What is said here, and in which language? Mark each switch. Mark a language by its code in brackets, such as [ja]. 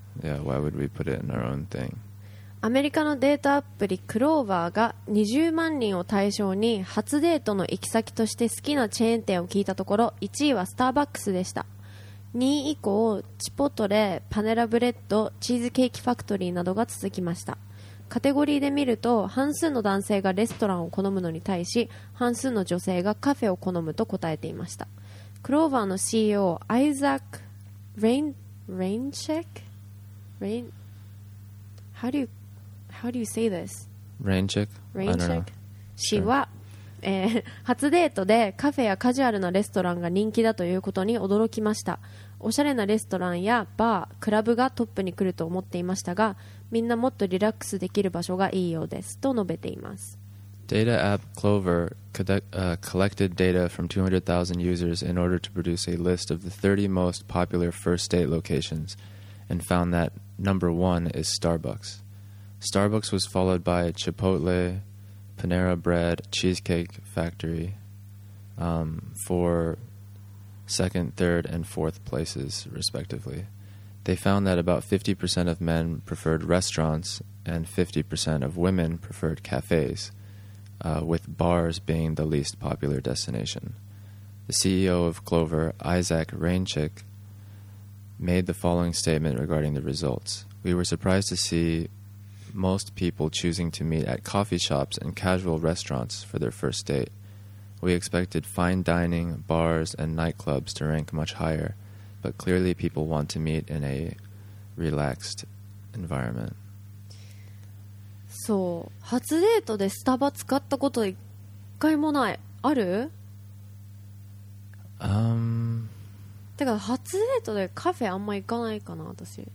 [en] Yeah, why would we put it in our own thing? [ja] アメリカのデートアプリクローバーが20万人を対象に初デートの行き先として好きなチェーン店を聞いたところ、1位はスターバックスでした。 2位以降、チポトレ、パネラブレッド、チーズケーキファクトリーなどが続きました。カテゴリーで見ると半数の男性がレストランを好むのに対し、半数の女性がカフェを好むと答えていました。クローバーの CEO アイザック・レインチェック [en] How do you say this? [ja] レインチェック氏は、初デートでカフェやカジュアルなレストランが人気だということに驚きました。おしゃれなレストランやバー、クラブがトップに来ると思っていましたが、みんなもっとリラックスできる場所がいいようですと述べています。 [en] Data app Clover collected data from 200,000 users in order to produce a list of the 30 most popular first date locations and found that number one is Starbucks. Starbucks was followed by Chipotle, Panera Bread, Cheesecake Factory, for second, third, and fourth places, respectively. They found that about 50% of men preferred restaurants and 50% of women preferred cafes, with bars being the least popular destination. The CEO of Clover, Isaac Reinchik, made the following statement regarding the results. We were surprised to see most people choosing to meet at coffee shops and casual restaurants for their first date. We expected fine dining, bars, and nightclubs to rank much higher, but clearly people want to meet in a relaxed environment. [ja] そう、初デートでスタバ使ったこと一回もない。ある？てか初デートでカフェあんま行かないかな私。